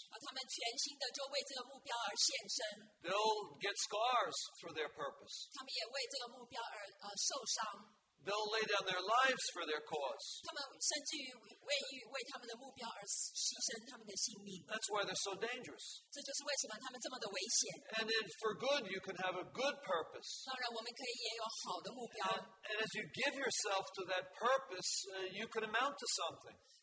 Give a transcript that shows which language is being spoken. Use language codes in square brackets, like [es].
[zh] 他们全心的就为这个目标而献身。They'll [en] get scars for their purpose. [zh] 他们也为这个目标而受伤。They'll [en] lay down their lives for their cause. [zh] 他们甚至于为他们的目标而牺牲他们的性命。That's [en] why they're so dangerous. [zh] 这就是为什么他们这么的危险。And [en] then for good, you can have a good purpose. [zh] 当然我们可以也有好的目标。 [en] And as you give yourself to that purpose, you can amount to something.